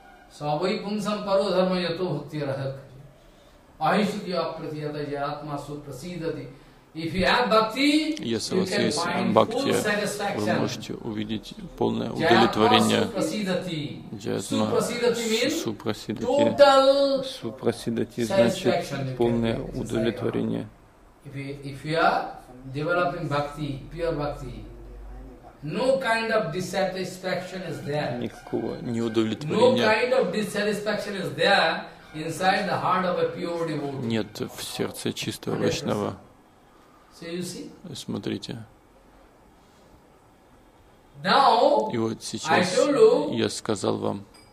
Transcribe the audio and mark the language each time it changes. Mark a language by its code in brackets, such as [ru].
[sa] Савой пунсам парол харму яту бхакти радхокхаже. Ахишити апрати ядайя атма супрасидати. [en] If you have bhakti, [ru] если у вас есть бхакти, вы можете увидеть полное удовлетворение. [sa] Джатма супрасидати. [ru] Супрасидати значит полное удовлетворение. [en] If you are developing bhakti, pure bhakti, no kind of dissatisfaction is there. [ru] Никакого неудовлетворения. [en] No kind of dissatisfaction is there inside the heart of a pure devotee. [ru] Нет в сердце чистого вайшнава. Смотрите. И вот сейчас я сказал вам.